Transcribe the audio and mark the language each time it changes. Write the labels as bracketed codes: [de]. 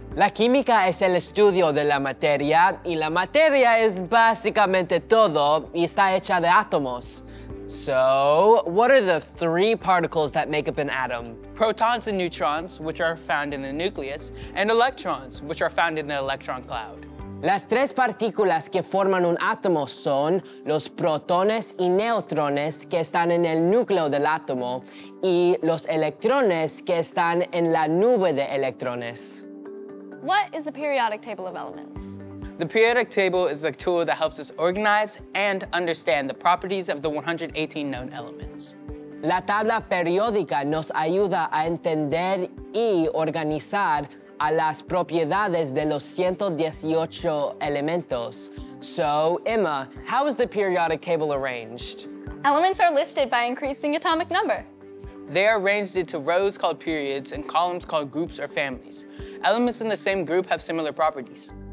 [es] La química es el estudio de la materia, y la materia es básicamente todo, y está hecha de átomos. [en] So, what are the three particles that make up an atom? Protons and neutrons, which are found in the nucleus, and electrons, which are found in the electron cloud. [es] Las tres partículas que forman un átomo son los protones y neutrones que están en el núcleo del átomo y los electrones que están en la nube de electrones. [en] What is the periodic table of elements? The periodic table is a tool that helps us organize and understand the properties of the 118 known elements. [es] La tabla periódica nos ayuda a entender y organizar a las propiedades de los 118 elementos. [en] So, Emma, how is the periodic table arranged? Elements are listed by increasing atomic number. They are arranged into rows called periods and columns called groups or families. Elements in the same group have similar properties.